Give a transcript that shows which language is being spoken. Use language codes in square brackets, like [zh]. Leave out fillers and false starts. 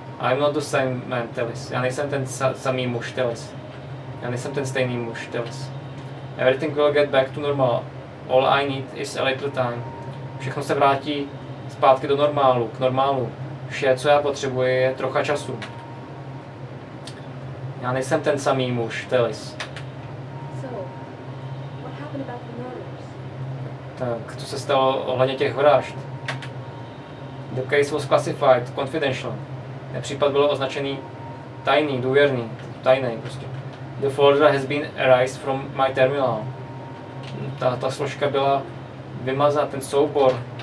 [en] I'm not the same man, Telis. [cs] Já nejsem ten samý muž, Telis. Já nejsem ten stejný muž, Telis. [en] Everything will get back to normal. All I need is a little time. [cs] Všechno se vrátí zpátky do normálu, k normálu. Vše, co já potřebuji, je trocha času. Já nejsem ten samý muž, Telis. [en] So, what happened about the murders? [cs] Tak, co se stalo ohledně těch vražd? [en] The case was classified, confidential. [cs] Ten případ byl označený tajný, důvěrný, tajný prostě. [en] The folder has been erased from my terminal. [cs] Ta složka byla vymazána, ten soubor.